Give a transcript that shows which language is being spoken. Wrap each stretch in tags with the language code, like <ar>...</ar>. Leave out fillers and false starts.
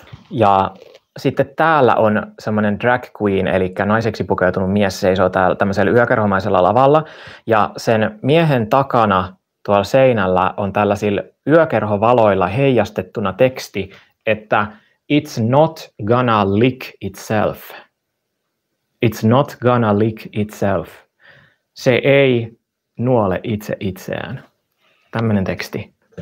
<fi>Ja sitten täällä on semmoinen drag queen, eli naiseksi pukeutunut mies seisoo täällä tämmöisellä yökerhomaisella lavalla. Ja sen miehen takana tuolla seinällä on tällaisilla yökerhovaloilla heijastettuna teksti, että</fi> <en>it's not gonna lick itself. It's not gonna lick itself.</en> <fi>Se ei nuole itse itseään. Tämmöinen teksti.</fi>